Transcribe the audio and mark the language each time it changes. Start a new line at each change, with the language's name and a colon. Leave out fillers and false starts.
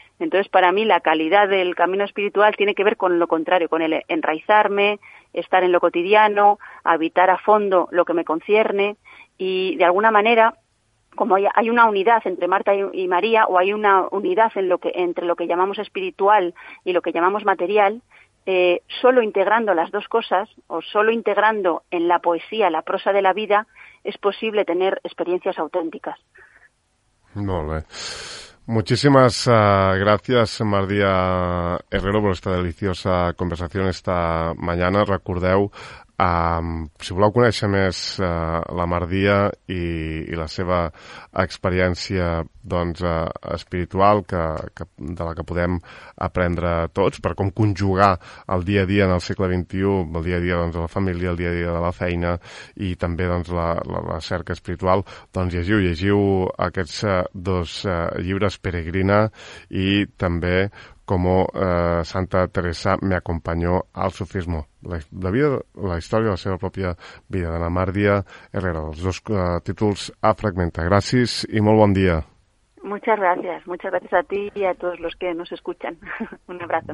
Spanish: Entonces, para mí, la calidad del camino espiritual tiene que ver con lo contrario, con el enraizarme, estar en lo cotidiano, habitar a fondo lo que me concierne y, de alguna manera, como hay una unidad entre Marta y María, o hay una unidad en entre lo que llamamos espiritual y lo que llamamos material, solo integrando las dos cosas, o solo integrando en la poesía la prosa de la vida, es posible tener experiencias auténticas. Vale. Muchísimas gracias, María Herrero, por esta deliciosa conversación esta mañana.
Catalan: Recordeu, si voleu conèixer més la Mardia i la seva experiència espiritual de la que podem aprendre tots per com conjugar el dia a dia en el segle XXI, el dia a dia de la família, el dia a dia de la feina i també la cerca espiritual, doncs llegiu aquests dos llibres, Peregrina i també Como Santa Teresa me acompañó al sufismo. La vida, la història de la seva pròpia vida, d'Anna Mardia Herrera. Els dos títols a Fragmenta. Gràcies i molt bon dia.
Spanish: Muchas gracias. Muchas gracias a ti y a todos los que nos escuchan. Un abrazo.